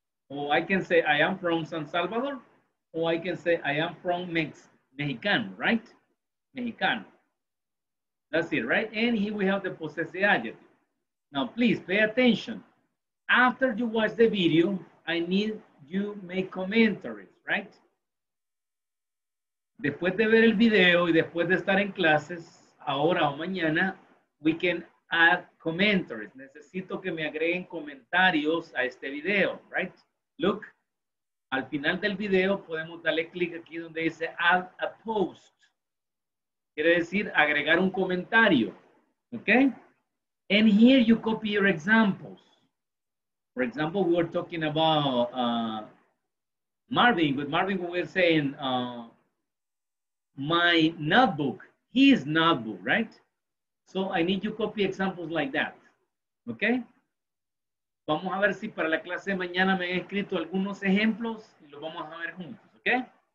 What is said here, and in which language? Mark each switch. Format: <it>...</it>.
<en>Or I can say I am from San Salvador. Or I can say I am from Mexicano, right? Mexicano. That's it, right? And here we have the possessive adjective. Now, please pay attention. After you watch the video, I need you make commentaries, right?</en> <es>Después de ver el video y después de estar en clases, ahora o mañana,</es> <en>we can add commentaries.</en> <es>Necesito que me agreguen comentarios a este video, right? Look. Al final del video podemos darle clic aquí donde dice</es> <en>add a post.</en> <es>Quiere decir agregar un comentario.</es> <en>Okay? And here you copy your examples. For example, we were talking about Marvin. With Marvin, we were saying my notebook, his notebook, right? So I need you copy examples like that. Okay?</en> <es>Vamos a ver si para la clase de mañana me han escrito algunos ejemplos y los vamos a ver juntos, okay?</es>